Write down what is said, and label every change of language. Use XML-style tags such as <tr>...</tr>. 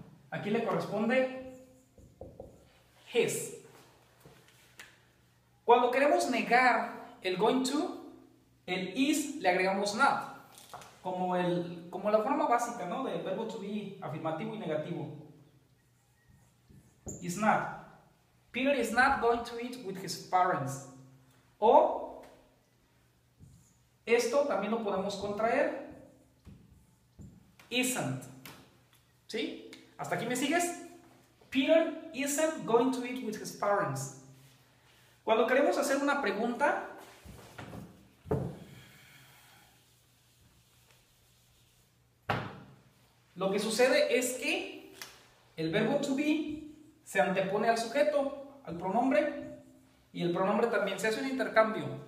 <es>Aquí le corresponde his. Cuando queremos negar el going to, el is le agregamos not, como la forma básica, ¿no?, del verbo to be afirmativo y negativo.</es> <en>Is not. Peter is not going to eat with his parents.</en> <es>O esto también lo podemos contraer. Isn't. ¿Sí? ¿Hasta aquí me sigues?</es> <en>Peter isn't going to eat with his parents.</en> <es>Cuando queremos hacer una pregunta, lo que sucede es que el verbo to be se antepone al sujeto, al pronombre, y el pronombre también se hace un intercambio.</es>